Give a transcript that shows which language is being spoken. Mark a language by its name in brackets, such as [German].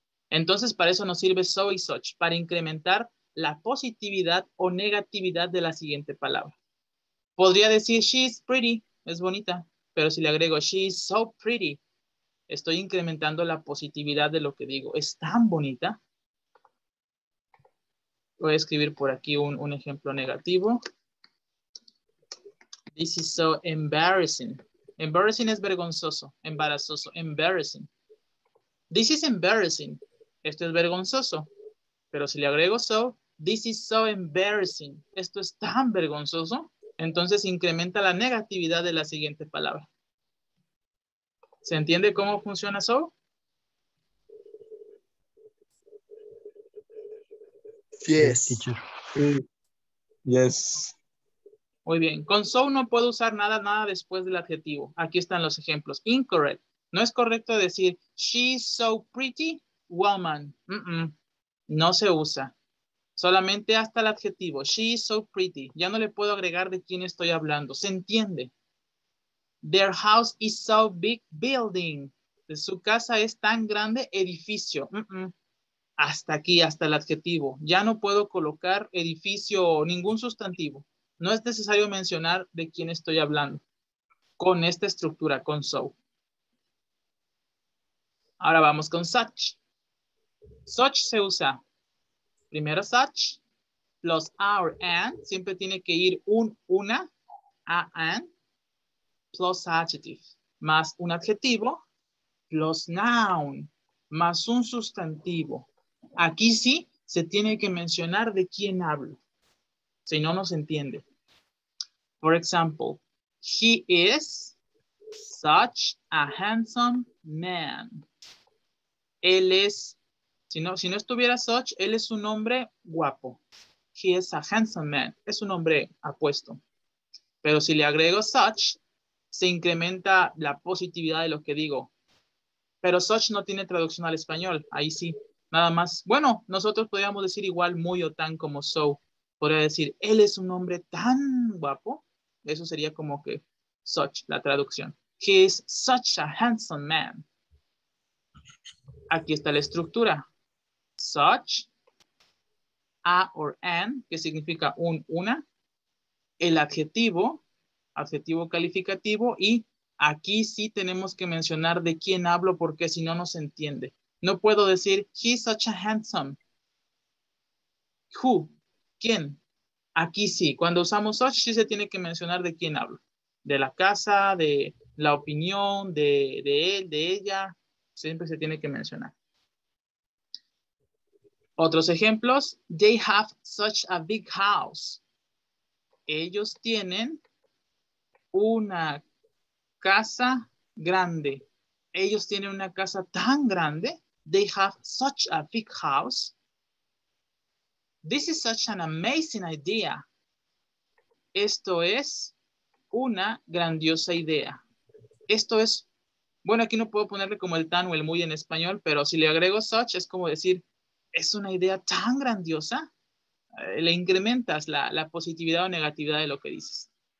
[Spanish] Entonces, para eso nos sirve so y such, para incrementar la positividad o negatividad de la siguiente palabra. Podría decir, [English] she's pretty, [Spanish] es bonita. Pero si le agrego, [English] she's so pretty, [Spanish] estoy incrementando la positividad de lo que digo. Es tan bonita. Voy a escribir por aquí un ejemplo negativo. [English] This is so embarrassing. Embarrassing [Spanish] es vergonzoso, embarazoso, [English] embarrassing. This is embarrassing. [Spanish] Esto es vergonzoso. Pero si le agrego so, [English] this is so embarrassing. [Spanish] Esto es tan vergonzoso. Entonces incrementa la negatividad de la siguiente palabra. ¿Se entiende cómo funciona so? [English] Yes. Teacher. Yes. [Spanish] Muy bien. Con so no puedo usar nada después del adjetivo. Aquí están los ejemplos. Incorrect. No es correcto decir [English] she's so pretty woman. [Spanish] Mm-mm. No se usa. Solamente hasta el adjetivo. [English] She's so pretty. [Spanish] Ya no le puedo agregar de quién estoy hablando. ¿Se entiende? [English] Their house is so big building. [Spanish] Su casa es tan grande edificio. Mm-mm. Hasta aquí, hasta el adjetivo. Ya no puedo colocar edificio o ningún sustantivo. No es necesario mencionar de quién estoy hablando con esta estructura, con so. Ahora vamos con such. Such se usa. Primero such, [English] plus our, and. [Spanish] Siempre tiene que ir una, [English] plus adjective. [Spanish] Más un adjetivo, [English] plus noun, [Spanish] más un sustantivo. Aquí sí se tiene que mencionar de quién hablo. Si no, no se entiende. [English] For example, he is such a handsome man. [Spanish] Él es, si no estuviera such, él es un hombre guapo. [English] He is a handsome man. [Spanish] Es un hombre apuesto. Pero si le agrego such, se incrementa la positividad de lo que digo. Pero such no tiene traducción al español. Ahí sí, nada más. Bueno, nosotros podríamos decir igual muy o tan como so. Podría decir, él es un hombre tan guapo. Eso sería como que such, la traducción. [English] He is such a handsome man. [Spanish] Aquí está la estructura. Such, a or an, que significa una. El adjetivo calificativo. Y aquí sí tenemos que mencionar de quién hablo, porque si no, no se entiende. No puedo decir, [English] he's such a handsome. Who, quién. [Spanish] Aquí sí, cuando usamos such, sí se tiene que mencionar de quién hablo. De la casa, de la opinión, de él, de ella. Siempre se tiene que mencionar. Otros ejemplos. [English] They have such a big house. [Spanish] Ellos tienen una casa grande. Ellos tienen una casa tan grande. [English] They have such a big house. This is such an amazing idea. [Spanish] Esto es una grandiosa idea. Esto es, bueno, aquí no puedo ponerle como el tan o el muy en español, pero si le agrego such, es como decir, es una idea tan grandiosa. Le incrementas la positividad o negatividad de lo que dices.